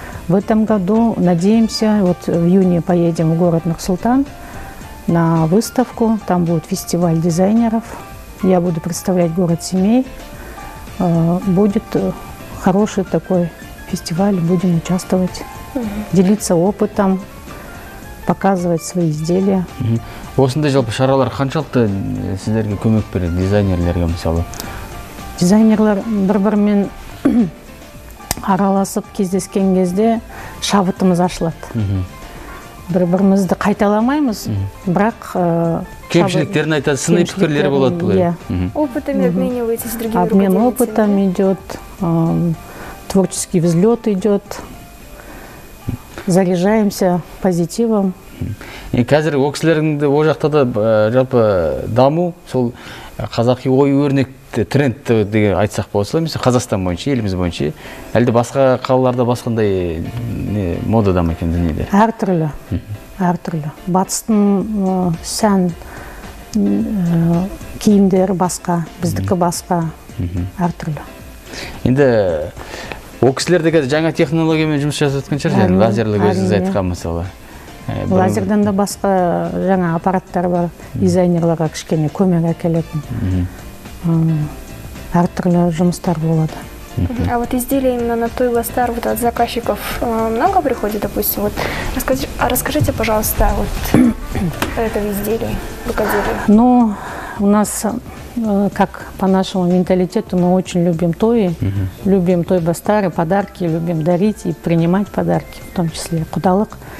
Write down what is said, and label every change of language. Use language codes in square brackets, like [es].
[ru] В этом году, надеемся, вот в июне поедем в город Нур-Султан на выставку. Там будет фестиваль дизайнеров. Я буду представлять город семей. Будет хороший такой фестиваль, будем участвовать, делиться опытом, показывать свои изделия. [kk] Осындай жалпы шаралар қаншалықты сіздерге көмек береді, дизайнерлерге мысалы? Дизайнерлер бір-бірімен араласып кездескен кезде шабытымыз ашылады. Бір-бірімізді қайталамаймыз, бірақ... Кемшіліктерін айтады, сыни пікірлері болады бұлай. [ru] Опытами обмениваетесь с другими руками? Обмен опытом идет, творческий взлет идет. заряжаемся позитивом. [kk] И қазір оқсылерінде о жақта да жалпы даму сол қазақи ой өрнек тренд деген айтсақ болса, мысалы Қазақстан бойынша, еліміз бойынша, әлде басқа қалаларда басқандай мода дамы екен дүниеде? Әртүрлі. Әртүрлі. Батыстың сән киімдері басқа, біздікі басқа. Әртүрлі. Енді о кісілерде қазір жаңа технологиямен жұмыс жасап жатқан шығар, яғни лазерлік өзіңіз айтқан мысалы. Лазерден де басқа жаңа аппараттар бар, дизайнерларға кішкене көмек әкелетін. Әртүрлі жұмыстар болады. [ru] А вот изделия именно на той ластар, вот от заказчиков много приходит, допустим? Вот расскажите, пожалуйста, вот это изделие, рукоделие. Ну, у нас, как по нашему менталитету, мы очень любим тои, любим той бастары, подарки, любим дарить и принимать подарки, в том числе кудалык.